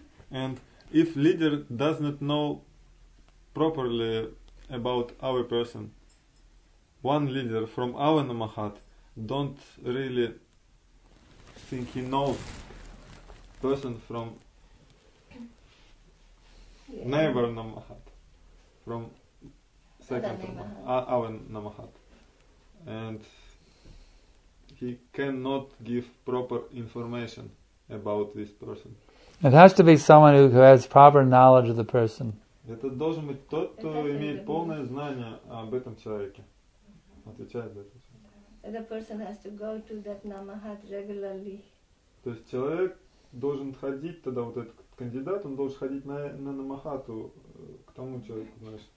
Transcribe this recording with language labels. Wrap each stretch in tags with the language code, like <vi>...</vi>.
<en>And if leader does not know properly about our person, one leader from our Namahat don't really think he knows person from neighbor Namahat, from second Namahat, our Namahat, and he cannot give proper information about this person. It has to be someone who has proper knowledge of the person.</en> <ru>Это должен быть тот, кто имеет полное знание об этом человеке. Отвечает за это.</ru> <en>The person has to go to that Namahat regularly.</en> <ru>То есть человек должен ходить тогда, вот этот кандидат, он должен ходить на Намахату к тому человеку, знаешь.</ru>